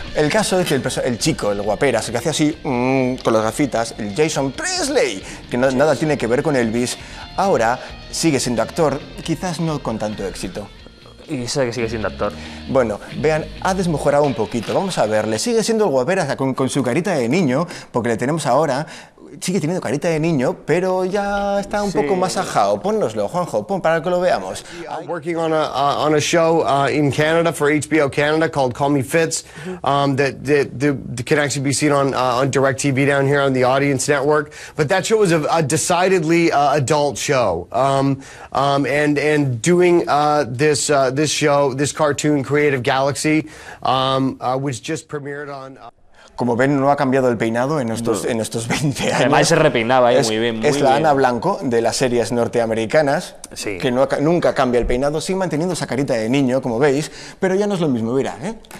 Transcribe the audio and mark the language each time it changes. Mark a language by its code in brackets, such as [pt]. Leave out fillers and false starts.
[es] El caso es que el chico, el guaperas, que hace así con las gafitas, el Jason Priestley, que no, nada tiene que ver con Elvis, ahora sigue siendo actor, quizás no con tanto éxito. Y sabe que sigue siendo actor. Bueno, vean, ha desmejorado un poquito. Vamos a verle. Sigue siendo el guaperas con su carita de niño, porque le tenemos ahora. Sigue teniendo carita de niño, pero ya está un poco más ajado. Pónnoslo, Juanjo, pon para que lo veamos. [en] I'm working on a show in Canada for HBO Canada called Call Me Fitz that can actually be seen on DirecTV down here on the Audience Network. But that show was a decidedly adult show. And doing this show, this cartoon Creative Galaxy, which just premiered on. [es] Como ven, no ha cambiado el peinado en estos 20 años. Además, se repeinaba, ¿eh? Es la Ana Blanco de las series norteamericanas, sí. Que no, nunca cambia el peinado, sigue manteniendo esa carita de niño, como veis, pero ya no es lo mismo, mira, ¿eh?